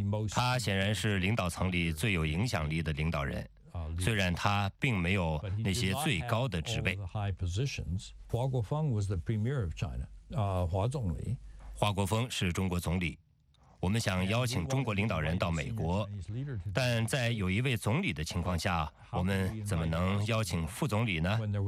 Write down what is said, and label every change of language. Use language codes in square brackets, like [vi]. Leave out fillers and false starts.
[zh] 他显然是领导层里最有影响力的领导人，虽然他并没有那些最高的职位。 [en] 华国锋was the premier of China， [zh] 华总理。华国锋是中国总理。我们想邀请中国领导人到美国，但在有一位总理的情况下，我们怎么能邀请副总理呢？